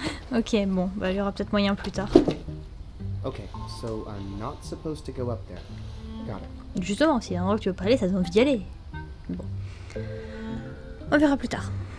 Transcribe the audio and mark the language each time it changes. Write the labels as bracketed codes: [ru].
[fr] OK, bon, bah il y aura peut-être moyen plus tard. [en] OK, so I'm not supposed to go up there. Got it. [fr] Justement, si y a un endroit que tu veux pas aller, ça donne envie d'y aller. Bon. On verra plus tard.